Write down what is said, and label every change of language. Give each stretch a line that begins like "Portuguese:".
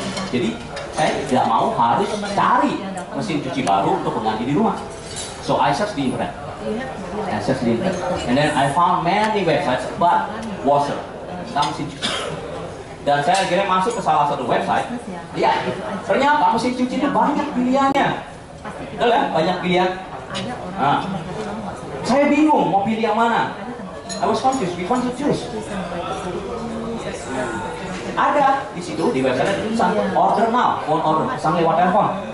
Indonesian: Jadi, saya tidak mau harus cari mesin cuci baru untuk mengganti di rumah.
English: So, I searched the internet. And then I found many websites, but washer.
Indonesian: Tentang mesin cuci. Dan saya akhirnya masuk ke salah satu website. Lihat, ternyata mesin cuci itu banyak pilihannya. Betul ya, banyak pilihan. Nah, saya bingung mau pilih yang mana.
English: I was confused, we want to choose.
Indonesian: Ada di situ, di website ada tulisan
English: order now, phone order,
Indonesian: pesan lewat telepon.